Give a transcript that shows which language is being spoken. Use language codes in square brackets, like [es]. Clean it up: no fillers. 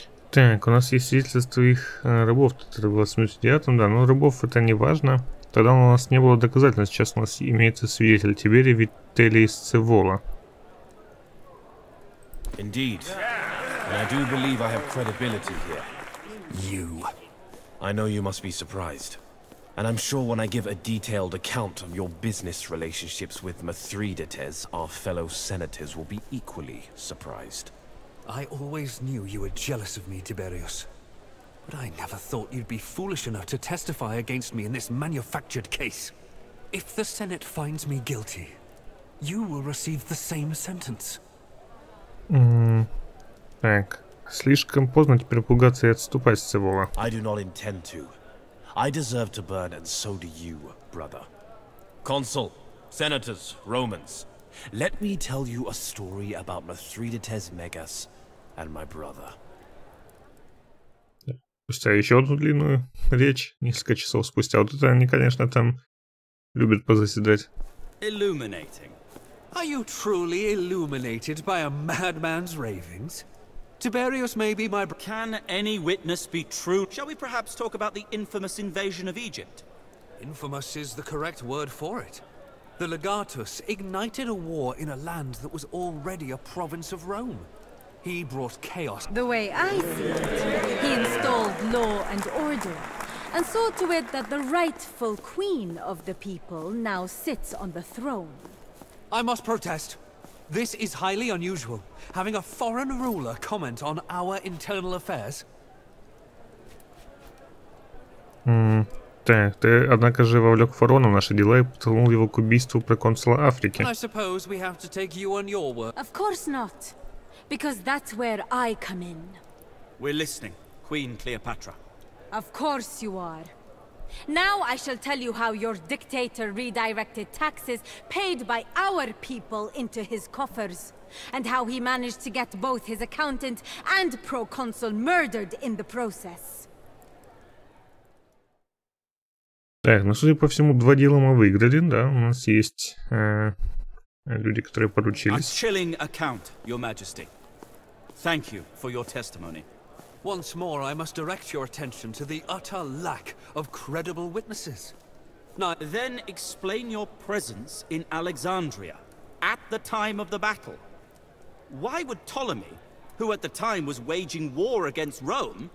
[ru] Так, у нас есть свидетельство их рабов, это было в 79-м, да, но рабов это не важно. Тогда у нас не было доказательств, сейчас у нас имеется свидетель Тиберия Вителия из Цивола. [en] Indeed. And I do believe I have credibility here. You. I know you must be surprised. And I'm sure when I give a detailed account of your business relationships with Mithridates, our fellow senators will be equally surprised. I always knew you were jealous of me, Tiberius. But I never thought you'd be foolish enough to testify against me in this manufactured case. If the Senate finds me guilty, you will receive the same sentence. [ru] Так, слишком поздно теперь пугаться и отступать с Цивола. [en] I do not intend to. I deserve to burn, and so do you, brother. Consul, senators, Romans, let me tell you a story about Mithridates Megas and my brother. [ru] Спустя еще одну длинную речь, несколько часов спустя, вот это они, конечно, там любят позаседать. [en] Illuminating. Are you truly illuminated by a madman's ravings? Tiberius may be my Can any witness be true? Shall we perhaps talk about the infamous invasion of Egypt? Infamous is the correct word for it. The Legatus ignited a war in a land that was already a province of Rome. He brought chaos. The way I see it, he installed law and order, and saw to it that the rightful queen of the people now sits on the throne. I must protest. This is highly unusual, having a foreign ruler comment on our internal affairs. [ru] Так, ты, однако же, вовлек фараона в наши дела и подтолкнул его к убийству проконсула Африки. [en] I suppose we have to take you on your word. Of course not, because that's where I come in. We're listening, Queen Cleopatra. Of course you are. Now I shall tell you how your dictator redirected taxes paid by our people into his coffers, and how he managed to get both his accountant and proconsul murdered in the process. [ru] Так, ну, судя по всему, два дела мы выиграли, да? У нас есть люди, которые поручились. [en] A chilling account, your majesty. Thank you for your testimony. Once more, I must direct your attention to the utter lack of credible witnesses. Now, then explain your presence in Alexandria at the time of the battle. Why would Ptolemy, who at the time was waging war against Rome...